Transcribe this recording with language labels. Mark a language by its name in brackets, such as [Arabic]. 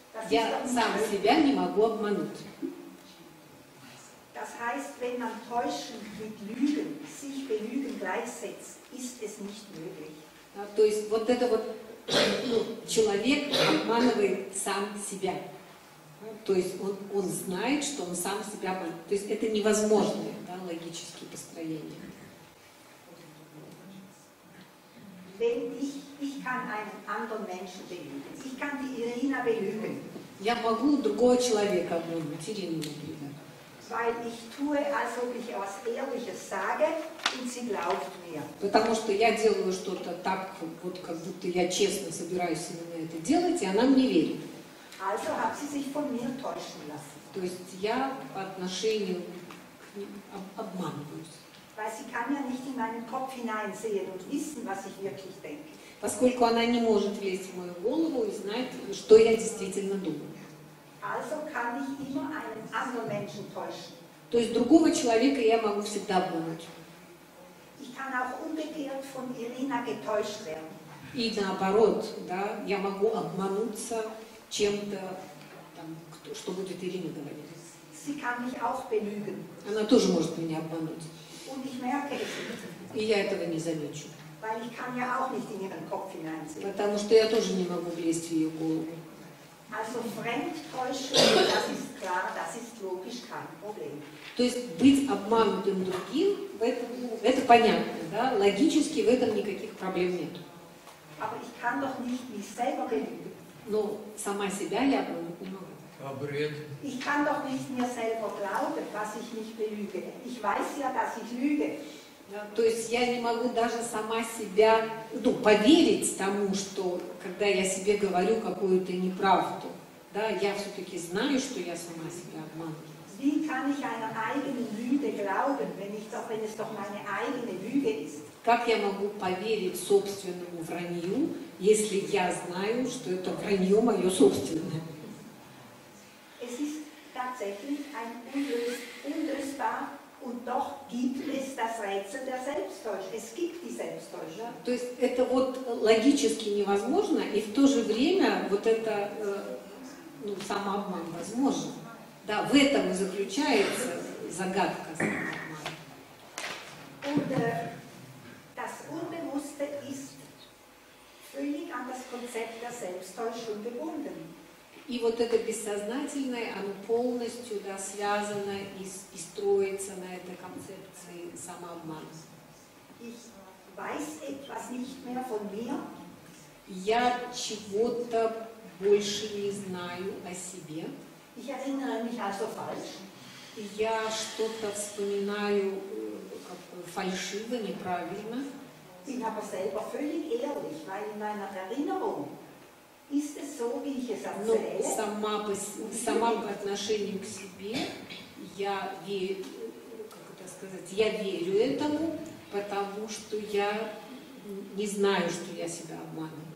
[Russian] Я сам себя не могу обмануть. [German] Das heißt, wenn man täuschen mit Lügen, sich belügen gleichsetzt, ist es nicht möglich. [Russian] Ja, то есть вот это вот человек обманывает сам себя. То есть он знает, что он сам себя обманывает. То есть это невозможное, да, логическое построение. [German] Wenn ich kann einen anderen Menschen belügen. Ich kann die Irina belügen. [Russian] Я могу другого человека обмануть, Ирину [German] belügen. Weil ich tue, als ob ich etwas Ehrliches sage, und sie glaubt mir. [Russian] Потому что я делаю что-то так, вот как будто я честно собираюсь именно это делать, и она мне верит. [German] Also hat sie sich von mir täuschen lassen. [Russian] То есть я по отношению к ним обманываюсь. [German] Weil sie kann ja nicht in meinen Kopf hineinsehen und wissen, was ich wirklich denke. [Russian] Поскольку она не может влезть в мою голову и знать, что я действительно думаю. [German] Also kann ich immer einen anderen Menschen täuschen. [Russian] То есть другого человека я могу всегда обмануть. [German] Ich kann auch umgekehrt von Irina getäuscht werden. [Russian] И наоборот, да, я могу обмануться чем-то, там, что будет Ирина говорить. [German] Sie kann mich auch belügen. [Russian] Она тоже может меня обмануть. [German] Und ich merke es. [Russian] И я этого не замечу. [German] Weil ich kann ja auch nicht in ihren Kopf hineinsehen. [Russian] Потому что я тоже не могу влезть в ее голову. [German] Also Fremdtäuschung, das ist klar, das ist logisch kein Problem. [Russian] То есть быть обманутым другим, это понятно, да? Логически в этом никаких проблем нет. [German] Aber ich kann doch nicht mich selber belügen. [Russian] Но сама себя я обмануть не могу. А бред. [German] Ich kann doch nicht mir selber glauben, was ich nicht belüge. Ich weiß ja, dass ich lüge. [Russian] То есть я не могу даже сама себя, ну, поверить тому, что когда я себе говорю какую-то неправду, да, я все-таки знаю, что я сама себя обманываю. [German] Wie kann ich einer eigenen Lüge glauben, wenn es doch meine eigene Lüge ist? [Russian] Как я могу поверить собственному вранью, если я знаю, что это вранье мое собственное? [German] Es ist tatsächlich ein unlösbar. Und doch gibt es das Rätsel der Selbsttäuschung. Es gibt die Selbsttäuschung. [Russian] То есть это вот логически невозможно, и в то же время вот это ну, самообман возможен. Да, в этом и заключается загадка самообмана. [German] Und das Unbewusste ist völlig an das Konzept der Selbsttäuschung gebunden. [Russian] И вот это бессознательное, оно полностью, да, связано и строится на этой концепции самообмана. [German] Ich weiß etwas nicht mehr von mir. [Russian] Я чего-то больше не знаю о себе. [German] Ich erinnere mich also falsch. [Russian] Я что-то вспоминаю как фальшиво, неправильно. [German] Bin aber selber völlig ehrlich, weil in meiner Erinnerung. Ist es so, wie ich es erzähle? [Russian] Но сама по, сама по отношению к себе я верю, как это сказать, я верю этому, потому что я не знаю, что я себя обманываю.